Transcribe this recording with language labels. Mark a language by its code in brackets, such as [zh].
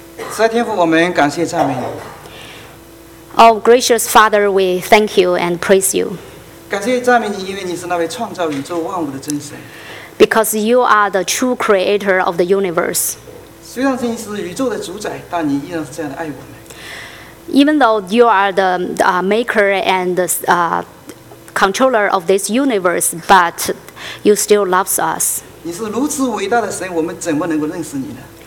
[zh] 慈爱天父，我们感谢赞美你。 [en] Oh, gracious Father, we thank you and praise you. [zh] 感谢赞美你，因为你是那位创造宇宙万物的真神。 [en] Because you are the true creator of the universe. [zh] 虽然你是宇宙的主宰，但你依然是这样的爱我们。 [en] Even though you are the maker and the controller of this universe, but you still loves us. [zh] 你是如此伟大的神，我们怎么能够认识你呢？